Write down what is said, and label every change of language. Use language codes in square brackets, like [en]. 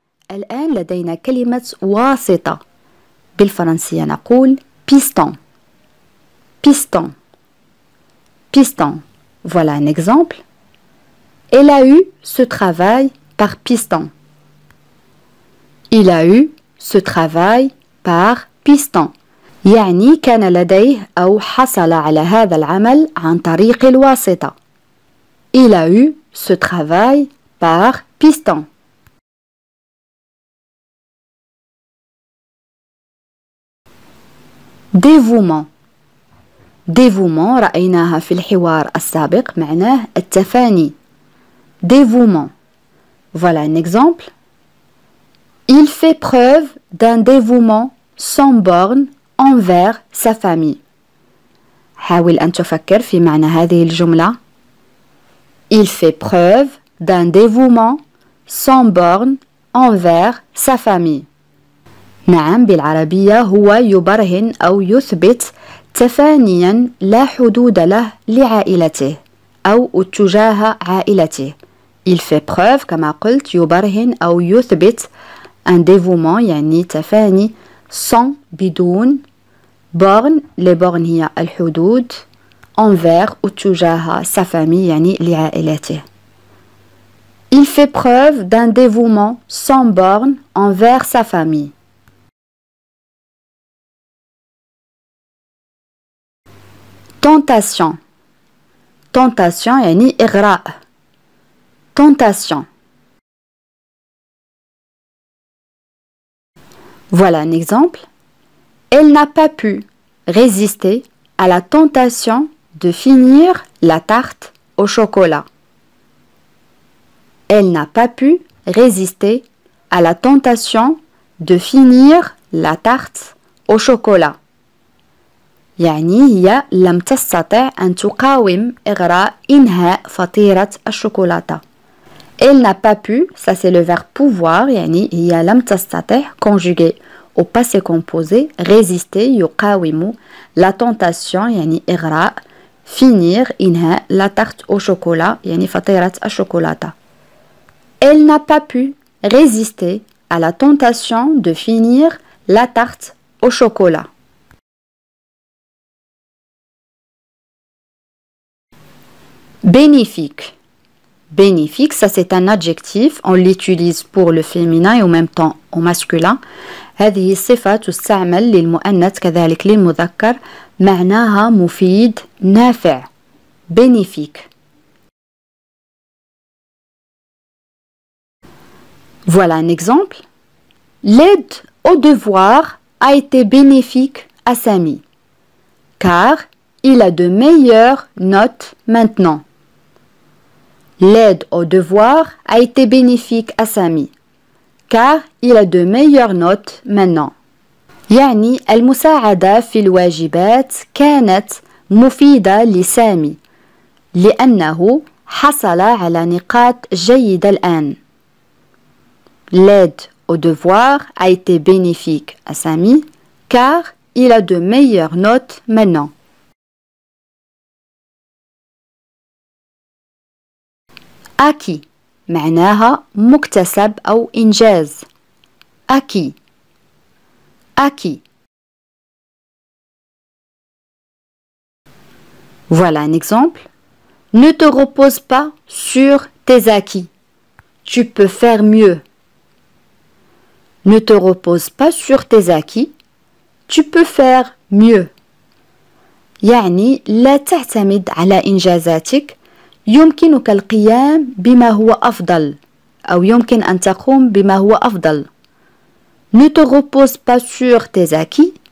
[ar] الآن لدينا كلمة واسطة بالفرنسية نقول [fr] piston piston piston. Voilà un exemple. Elle a eu ce travail par piston. Il a eu ce travail par piston. [ar] يعني كان لديه أو حصل على هذا العمل عن طريق الواسطة. [fr] Il a eu ce travail par piston. Dévouement. [ar] Dévouement, رأيناها في الحوار السابق معناه التفاني. [fr] Dévouement. Voilà un exemple. Il fait preuve d'un dévouement sans borne envers sa famille. [ar] حاول أن تفكر في معنى هذه الجملة. [fr] Il fait preuve d'un dévouement sans borne envers sa famille. [ar] نعم بالعربية هو يبرهن أو يثبت تفانيا لا حدود له لعائلته أو تجاه عائلته. [fr] Il fait preuve [ar] كما قلت يبرهن أو يثبت [fr] un dévouement [ar] يعني تفاني sans بدون [fr] borne les bornes [ar] هي الحدود [fr] envers ou [ar] تجاه [fr] sa famille [ar] يعني لعائلته. [fr] Il fait preuve d'un dévouement sans borne envers sa famille. Tentation. Tentation [ar] yani igra. [fr] Tentation. Voilà un exemple. Elle n'a pas pu résister à la tentation de finir la tarte au chocolat. Elle n'a pas pu résister à la tentation de finir la tarte au chocolat. [ar] يعني هي لم تستطع أن تقاوم إغراء إنهاء فطيرة الشوكولاتة. [fr] Elle n'a pas pu, ça c'est le verbe pouvoir, [ar] يعني هي لم تستطع, [fr] conjugué au passé composé, résister, يقاوم, la tentation, يعني إغراء, finir, إنهاء, la tarte au chocolat, [ar] يعني فطيرة الشوكولاتة. [fr] Elle n'a pas pu résister à la tentation de finir la tarte au chocolat. Bénéfique. Bénéfique, ça c'est un adjectif. On l'utilise pour le féminin et en même temps au masculin. [ar] هذه الصفة تستعمل للمؤنث كذلك للمذكر. معناها مفيد نافع. Bénéfique. [fr] Voilà un exemple. L'aide au devoir a été bénéfique à Samy. Car il a de meilleures notes maintenant. L'aide au devoir a été bénéfique à Samy, car il a de meilleures notes maintenant. [ar] يعني المساعدة في الواجبات كانت مفيدة لسامي لأنه حصل على نقاط جيدة الآن. [fr] L'aide au devoir a été bénéfique à Samy, car il a de meilleures notes maintenant. [ar] Acquis, معناها مكتسب أو إنجاز. [fr] à qui. Voilà un exemple. Ne te repose pas sur tes acquis. Tu peux faire mieux. Ne te repose pas sur tes acquis. Tu peux faire mieux. [ar] يعني لا تعتمد على إنجازاتك. يمكنك القيام بما هو أفضل أو يمكن أن تقوم بما هو أفضل. [fr] Ne te repose pas sur tes acquis.